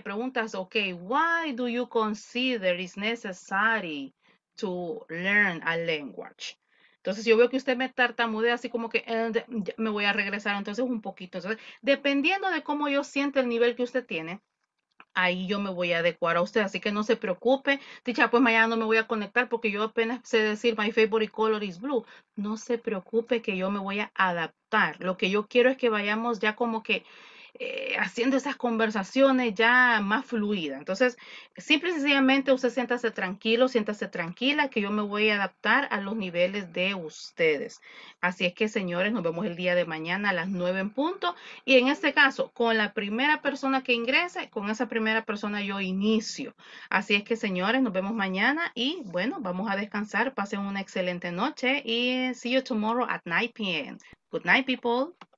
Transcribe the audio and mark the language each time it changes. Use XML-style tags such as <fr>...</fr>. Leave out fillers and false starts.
<es>Preguntas,</es> <en>ok, why do you consider it's necessary to learn a language?</en> <es>Entonces, yo veo que usted me tartamudea así como que me voy a regresar entonces un poquito. Entonces, dependiendo de cómo yo siente el nivel que usted tiene, ahí yo me voy a adecuar a usted, así que no se preocupe. Dicha, pues mañana no me voy a conectar porque yo apenas sé decir</es> <en>my favorite color is blue.</en> <es>No se preocupe que yo me voy a adaptar. Lo que yo quiero es que vayamos ya como que haciendo esas conversaciones ya más fluida. Entonces, simple y sencillamente usted siéntase tranquilo, siéntase tranquila que yo me voy a adaptar a los niveles de ustedes. Así es que, señores, nos vemos el día de mañana a las 9 en punto. Y en este caso, con la primera persona que ingrese, con esa primera persona yo inicio. Así es que, señores, nos vemos mañana y, bueno, vamos a descansar. Pasen una excelente noche y</es> <en>see you tomorrow at 9 p.m. Good night, people.</en>